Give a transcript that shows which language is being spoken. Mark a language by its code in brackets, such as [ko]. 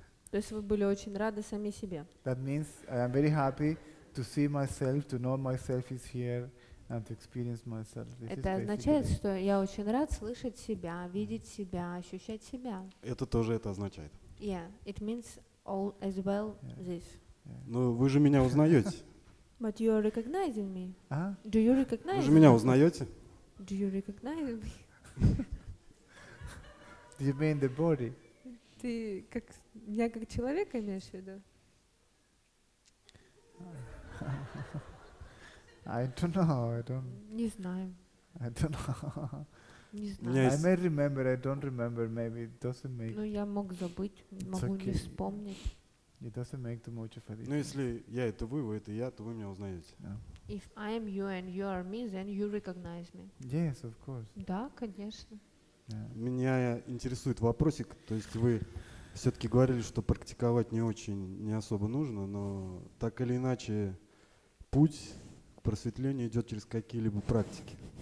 [ru] То есть вы были очень рады сами себе. [en] That means I'm very happy to see myself, to know myself is here. And to experience myself. This [ru] это означает, что я очень рад слышать себя, видеть себя, ощущать себя. Это тоже это означает. [en] Yeah, it means all as well yeah. This. Yeah. [ru] Но вы же меня узнаете. [en] But you are recognizing me. Uh-huh. Do you recognize? [ru] Вы же меня узнаете. [en] Do you recognize me? Do you mean the body? [ru] Ты как меня как человека имеешь в виду? [en] I don't know. [ru] Не знаю. [en] I don't know. [ru] Не знаю. [en] Yes. I may remember, I don't remember, maybe it doesn't make. [ru] Ну я мог забыть, могу не вспомнить. [en] It doesn't make too much of a difference. [ru] Ну если я это вы это я, то вы меня узнаете. [en] If I am you and you are me, then you recognize me. Yes, of course. [ru] Да, конечно. Меня интересует вопросик, то есть вы все-таки говорили, что практиковать не очень, не особо нужно, но так или иначе путь просветление идет через какие-либо практики.